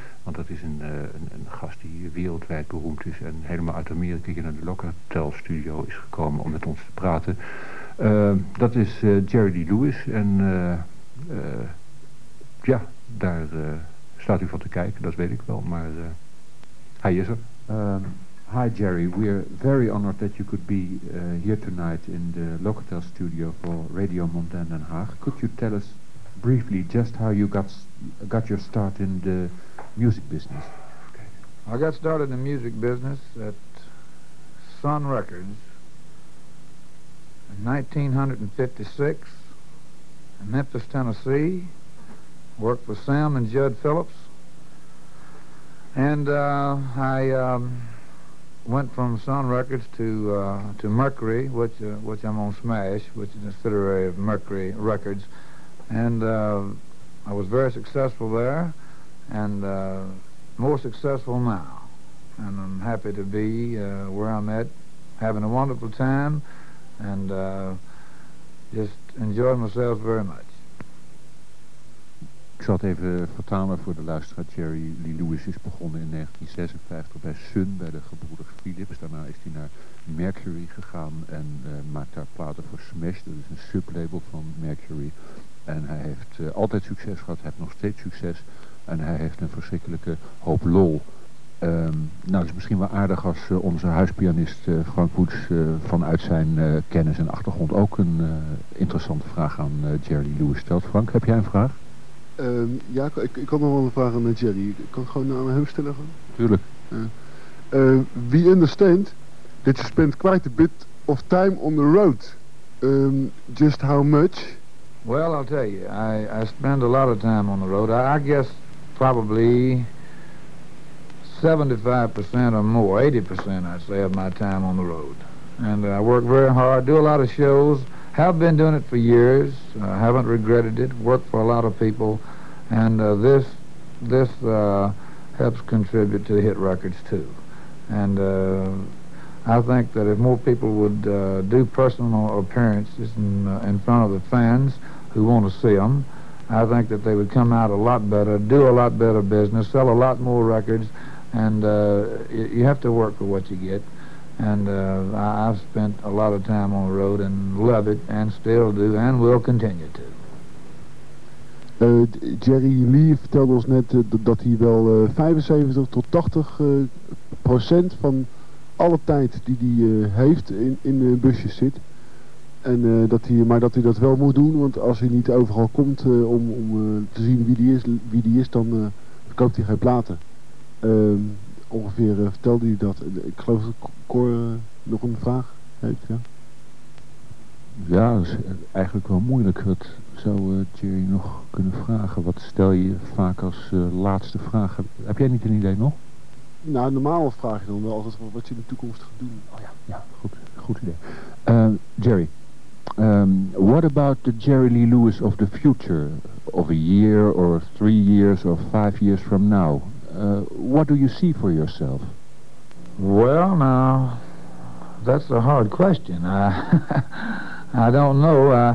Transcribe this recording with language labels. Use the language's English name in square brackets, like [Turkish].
[Dutch] Want dat is een gast die wereldwijd beroemd is en helemaal uit Amerika hier naar de Locatel studio is gekomen om met ons te praten. Dat is Jerry Lee Lewis en ja, daar staat u van te kijken, dat weet ik wel, maar hij is er. [English] Hi Jerry, we are very honored that you could be here tonight in the Locatel studio for Radio Mondain Den Haag. Could you tell us briefly just how you got your start in the music business? I got started in the music business at Sun Records in 1956 in Memphis, Tennessee. Worked with Sam and Judd Phillips, and I went from Sun Records to Mercury, which I'm on Smash, which is a subsidiary of Mercury Records, and I was very successful there. And more successful now, and I'm happy to be where I'm at, having a wonderful time, and just enjoying myself very much. [Dutch] Ik zal het even vertalen voor de luisteraar. Jerry Lee Lewis is begonnen in 1956 bij Sun, bij de gebroeders Philips. Daarna is hij naar Mercury gegaan en maakt daar platen voor Smash. Dat is een sublabel van Mercury. En hij heeft altijd succes gehad, hij heeft nog steeds succes. En hij heeft een verschrikkelijke hoop lol. Nou, het is misschien wel aardig als onze huispianist Frank Woods vanuit zijn kennis en achtergrond ook een interessante vraag aan Jerry Lewis stelt. Frank, heb jij een vraag? Ja, ik had nog wel een vraag aan Jerry. Ik kan gewoon aan hem stellen. Gewoon. Tuurlijk. [English] We understand that you spent quite a bit of time on the road. Just how much? Well, I'll tell you, I spend a lot of time on the road. I guess probably 75% or more, 80% I'd say, of my time on the road. And I work very hard, do a lot of shows, have been doing it for years, haven't regretted it, work for a lot of people, and this helps contribute to the hit records too. And I think that if more people would do personal appearances in front of the fans who want to see them, I think that they would come out a lot better, do a lot better business, sell a lot more records, and you have to work for what you get. And I've spent a lot of time on the road and love it, and still do, and will continue to. [Dutch] Jerry Lee vertelde ons net dat hij wel 75 tot 80 procent van alle tijd die hij heeft in de busjes zit. En dat hij dat wel moet doen, want als hij niet overal komt te zien wie die is, dan verkoopt hij geen platen. Ongeveer vertelde hij dat. Ik geloof dat Cor nog een vraag heeft, ja? Ja, dat is eigenlijk wel moeilijk. Wat zou Jerry nog kunnen vragen? Wat stel je vaak als laatste vraag? Heb jij niet een idee nog? Nou, normaal vraag je dan wel altijd wat je in de toekomst gaat doen. Oh ja, goed idee. Jerry. [English] What about the Jerry Lee Lewis of the future, of a year or 3 years or 5 years from now? What do you see for yourself? Well, now, That's a hard question. I don't know.